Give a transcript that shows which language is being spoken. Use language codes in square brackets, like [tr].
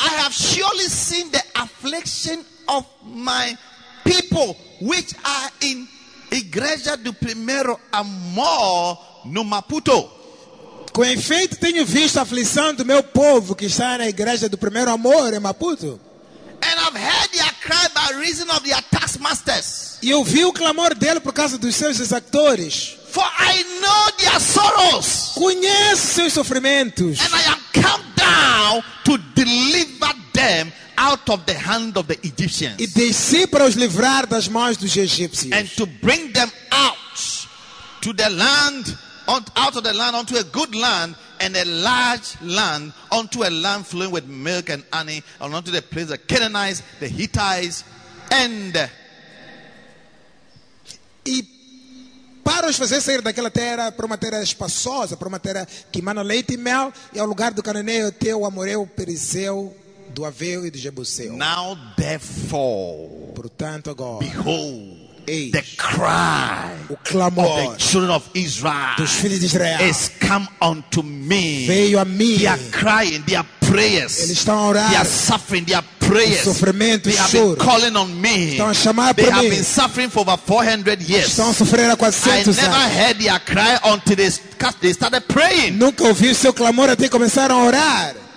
[en] I have surely seen the affliction of my people which are in Igreja do Primeiro Amor no Maputo. [pt] Com efeito, tenho visto a aflição do meu povo que está na Igreja do Primeiro Amor em Maputo. [en] And I've heard their cry by reason of their taskmasters. [pt] E ouvi o clamor dele por causa dos seus exactores. [en] For I know their sorrows. [pt] Conheço seus sofrimentos. [en] And I am come down to deliver them out of the hand of the Egyptians. [pt] E desci para os livrar das mãos dos egípcios. [en] And to bring them out to the land, out of the land unto a good land and a large land, unto a land flowing with milk and honey, and unto the place of Canaanites, the Hittites, and [pt] para os fazer sair daquela terra para uma terra espaçosa, para uma terra que mana leite e mel, e ao lugar do Cananeu, Eteu, Amoreu, Perizeu, do Aveu e do Jebuseu. [en] Now therefore, [pt] portanto agora, [en] behold, [pt] eis, [en] the cry, [pt] o clamor, [en] of the children of Israel, [pt] dos filhos de Israel, [en] is come unto me, [pt] veio a mim, [en] they are crying, they are prayers, [pt] eles estão a orar, [en] they are suffering, they are prayers, [pt] sofrimento, [en] they have been calling on me, [pt] estão a chamar [en] they [pt] por [en] have [pt] mim, [en] been suffering for over 400 years, [pt] estão a sofrer há 400 anos, [en] I never heard their cry until they started praying, [pt] nunca ouvi o seu clamor até começaram a orar.